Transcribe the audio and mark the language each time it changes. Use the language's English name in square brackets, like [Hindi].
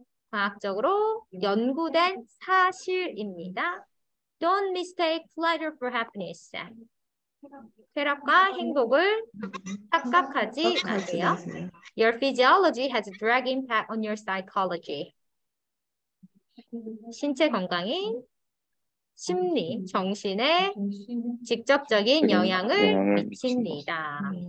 [Korean] 과학적으로 연구된 사실입니다. [English] Don't mistake pleasure for happiness. [Korean] 쾌락과 행복을 착각하지 마세요. [English] Your physiology has a direct impact on your psychology. [Korean] 신체 건강이 심리, 정신에 직접적인 영향을 미칩니다.